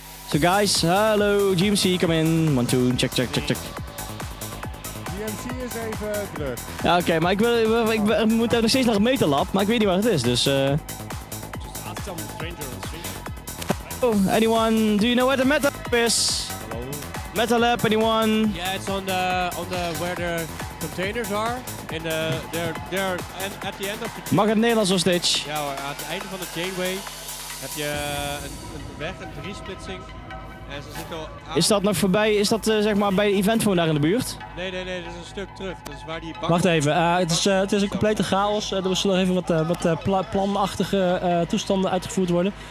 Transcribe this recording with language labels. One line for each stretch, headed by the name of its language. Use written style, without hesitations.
English: So guys, hello, GMC, come in. 1, 2, check, check, check, check.
Dutch: GMC is even druk. Ja, oké, maar ik moet nog steeds naar een meterlab, maar ik weet niet waar het is, dus...
English: Just ask some stranger on the street. Oh, anyone, do you know where the metalab is? Hello? Metalab, anyone? Yeah, it's on the where the containers are. In the, they're at the end of the chain.
Dutch: Mag het Nederlands of stage? Ja, hoor, aan het einde van de chainway. Heb je een weg, een driesplitsing. En ze zitten al... Is dat nog voorbij, is dat zeg maar bij de eventphone daar in de buurt? Nee, dat is een stuk terug. Dat is waar die bak... Wacht even, het is een complete chaos. Er zullen nog even wat planachtige toestanden uitgevoerd worden.